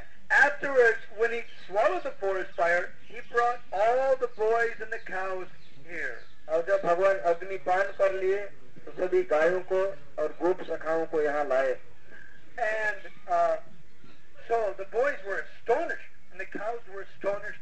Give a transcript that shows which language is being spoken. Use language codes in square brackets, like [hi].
[en] Afterwards, when he swallowed the forest fire, he brought all the boys and the cows here. [hi] और जब भगवान अग्नि पान कर लिए, तो सभी गायों को और गोप सखाओं को यहाँ लाए। [en] And so the boys were astonished, and the cows were astonished.